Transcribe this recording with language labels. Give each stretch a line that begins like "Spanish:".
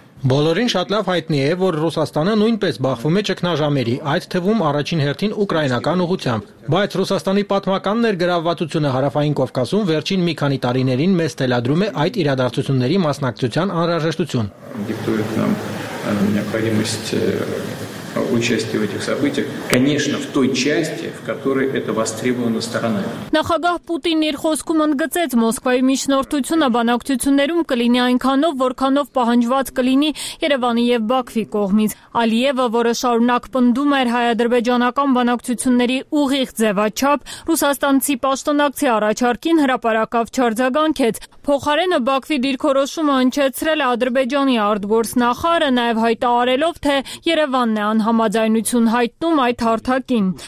Armenian: Բոլորին շատ լավ հայտնի է, որ Ռուսաստանը նույնպես բախվում է ճգնաժամերի, այդ թվում առաջին հերթին ուկրաինական ուղղությամբ, բայց Ռուսաստանի պատմական ներգրավվածությունը Հարավային Կովկասում վերջին մի քանի տարիներին մեզ թելադրում է այդ իրադարձությունների մասնակցության անհրաժեշտություն։
Russian: Необходимость участия в этих событиях, конечно, в той части, в которой это востребовано сторонами.
Armenian: Նախագահ Պուտին իր խոսքում ընդգծեց Մոսկվայի միջնորդությունը բանակցություններում կլինի այնքանով, որքանով պահանջված կլինի Երևանի եւ Բաքվի կողմից։ Ալիևը, որը շարունակ պնդում էր հայ-ադրբեջանական բանակցությունների ուղիղ ձևաչափ, ռուսաստանցի պաշտոնակցի առաջարկին հրապարակավ չարձագանքեց։ Փոխարենը Բաքվի դիրքորոշումը հնչեցրել Ադրբեջանի արտգործ նախարարը, նաև հայտարարելով, թե Երևանն է անհամաձայնություն հայտնում այդ հարթակին։